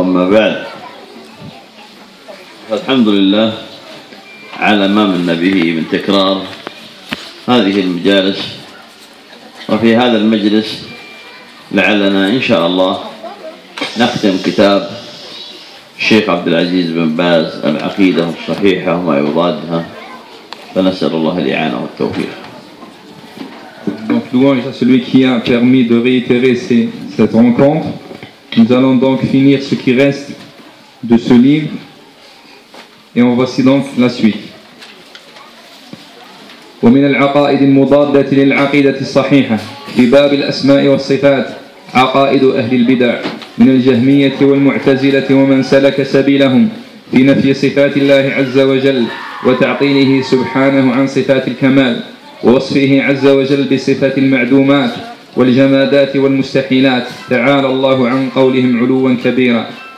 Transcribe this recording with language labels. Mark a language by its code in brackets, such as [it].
[ar] أما بعد، فالحمد لله على ما من به من تكرار هذه المجالس، وفي هذا المجلس لعلنا إن شاء الله نختم كتاب الشيخ عبد العزيز بن باز العقيدة الصحيحة وما يضادها، فنسأل الله الإعانة والتوفيق. [fr] Donc louange à celui qui a permis de réitérer cette rencontre. Nous allons donc finir ce qui reste de ce livre et on voici donc la suite. [ar] ومن العقائد المضادة للعقيدة الصحيحة في باب الأسماء والصفات عقائد أهل البدع من الجهمية والمعتزلة ومن سلك سبيلهم في نفي صفات الله عز وجل وتعطيله سبحانه عن صفات الكمال ووصفه عز وجل بصفات المعدومات والجمادات والمستحيلات، تعالى الله عن قولهم علوا كبيرا.